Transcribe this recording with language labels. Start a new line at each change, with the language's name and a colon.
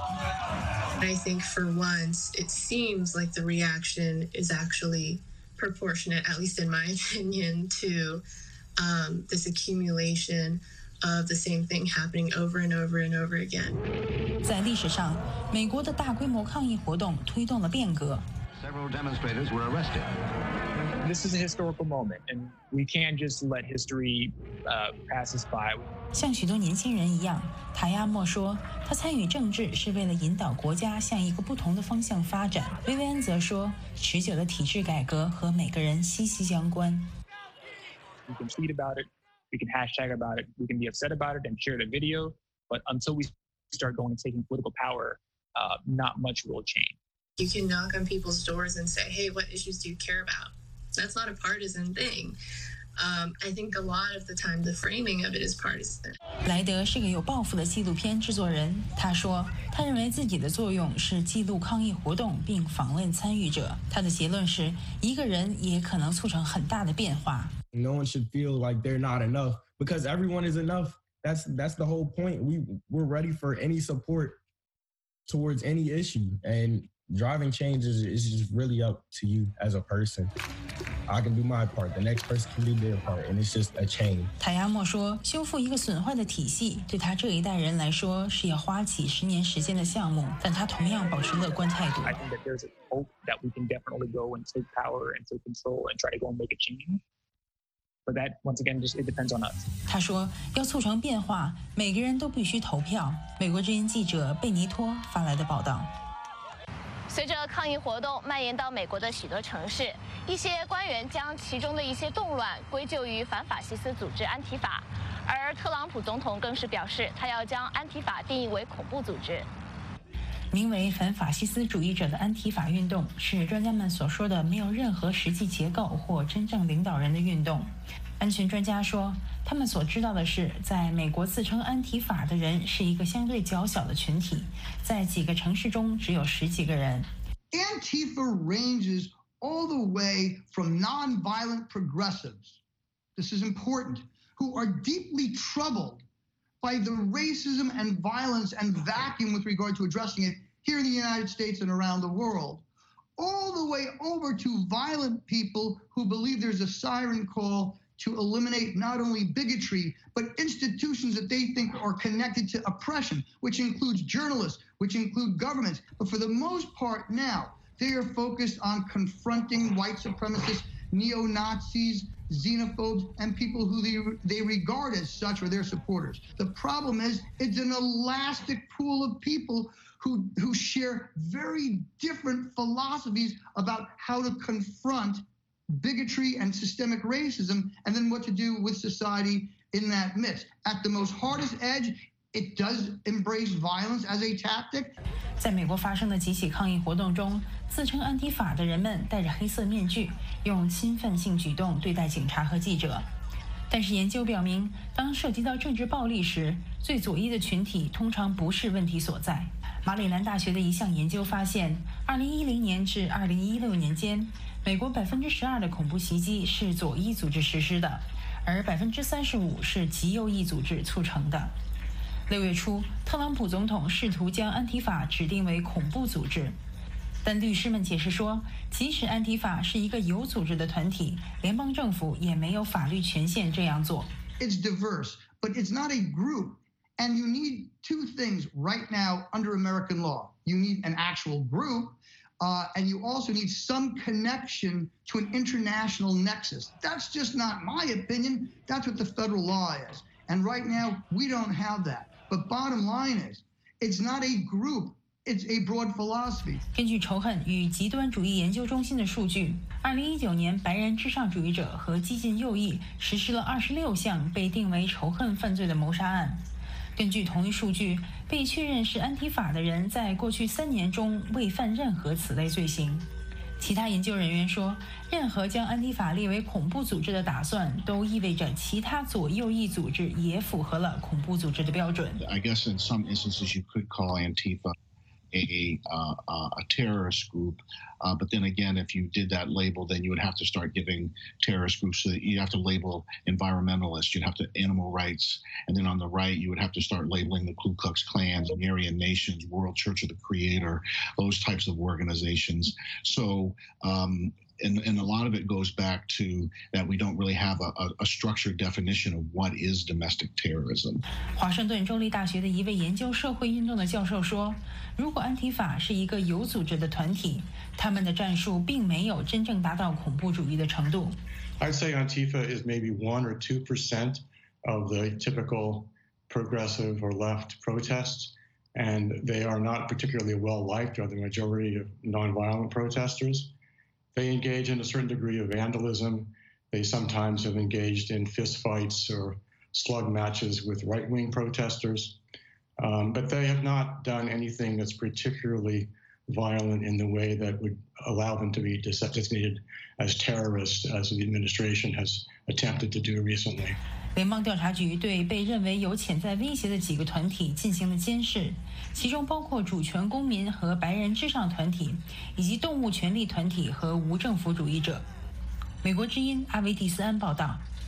English: I think for once, it seems like the reaction is actually proportionate, at least in my opinion, to this accumulation of the same thing happening over and over and over again.
Chinese: 在历史上，美国的大规模抗议活动推动了变革。
English: Several demonstrators were arrested. This is a historical moment, and we can't just let history pass us by.
Chinese: 像许多年轻人一样，塔亚莫说，他参与政治是为了引导国家向一个不同的方向发展。薇薇安则说，持久的体制改革和每个人息息相关。
English: We can tweet about it, we can hashtag about it, we can be upset about it and share the video, but until we start going and taking political power, not much will change. You can knock on people's doors and say, hey, what issues do you care about? That's not a partisan thing. I think a lot of the time the framing of it is partisan.
Chinese: 莱德是个有抱负的纪录片制作人，他说他认为自己的作用是记录抗议活动并访问参与者。他的结论是一个人也可能促成很大的变化。
English: No one should feel like they're not enough because everyone is enough. That's the whole point. We're ready for any support towards any issue. And driving change is just really up to you as a person. I can do my part. The next person can do their part. And it's just a chain.
Chinese: 塔亚莫说，修复一个损坏的体系对他这一代人来说是要花几十年时间的项目，但他同样保持乐观态度。
English: I think that there's a hope that we can definitely go and take power and take control and try to go and make a change. But that, once again, just it depends on us.
Chinese: 他说，要促成变化，每个人都必须投票。美国之音记者贝尼托发来的报道。随着抗议活动蔓延到美国的许多城市，一些官员将其中的一些动乱归咎于反法西斯组织安提法，而特朗普总统更是表示，他要将安提法定义为恐怖组织。名为反法西斯主义者的安提法运动是专家们所说的没有任何实际结构或真正领导人的运动。安全专家说，他们所知道的是，在美国自称安提法的人是一个相对较小的群体，在几个城市中只有十几个人。
English: Antifa ranges all the way from non-violent progressives, this is important, who are deeply troubled. By the racism and violence and vacuum with regard to addressing it here in the United States and around the world, all the way over to violent people who believe there's a siren call to eliminate not only bigotry, but institutions that they think are connected to oppression, which includes journalists, which include governments. But for the most part now, they are focused on confronting white supremacists, neo-Nazis,xenophobes and people who they regard as such or their supporters. The problem is it's an elastic pool of people who share very different philosophies about how to confront bigotry and systemic racism and then what to do with society in that midst. At the most hardest edge,It does embrace violence as a tactic.
Chinese: 在美国发生的几起抗议活动中，自称安提法的人们戴着黑色面具，用侵犯性举动对待警察和记者。但是研究表明，当涉及到政治暴力时，最左翼的群体通常不是问题所在。马里兰大学的一项研究发现，2010年至2016年间，美国12%的恐怖袭击是左翼组织实施的，而35%是极右翼组织促成的。六月初，特朗普总统试图将安提法指定为恐怖组织，但律师们解释说，即使安提法是一个有组织的团体，联邦政府也没有法律权限这样做。
English: It's diverse, but it's not a group, and you need two things right now under American law. You need an actual group, and you also need some connection to an international nexus. That's just not my opinion. That's what the federal law is, and right now we don't have that. But bottom line is, it's not a group, it's a broad philosophy.
Chinese: 根据仇恨与极端主义研究中心的数据，2019年白人至上主义者和激进右翼实施了26项被定为仇恨犯罪的谋杀案。根据同一数据，被确认是安提法的人在过去三年中未犯任何此类罪行。其他研究人员说，任何将安提法列为恐怖组织的打算，都意味着其他左右翼组织也符合了恐怖组织的标准。
English: I guess in some instances you could call Antifa a terrorist group, but then again, if you did that label, then you would have to start giving terrorist groups. So you have to label environmentalists, you'd have to animal rights, and then on the right, you would have to start labeling the Ku Klux Klan, the Aryan Nations, World Church of the Creator, those types of organizations. So, and a lot of it goes back to that we don't really have a structured definition of what is domestic terrorism.
Chinese: 华盛顿州立大学的一位研究社会运动的教授说，如果安提法是一个有组织的团体，他们的战术并没有真正达到恐怖主义的程度。
English: I'd say Antifa is maybe 1-2% of the typical progressive or left protests, and they are not particularly well-liked by the majority of non-violent protesters. They engage in a certain degree of vandalism. They sometimes have engaged in fist fights or slug matches with right-wing protesters. But they have not done anything that's particularly violent in the way that would allow them to be designated as terrorists, as the administration has attempted to do recently.
Chinese: 联邦调查局对被认为有潜在威胁的几个团体进行了监视，其中包括主权公民和白人至上团体，以及动物权利团体和无政府主义者。美国之音阿维蒂斯安报道。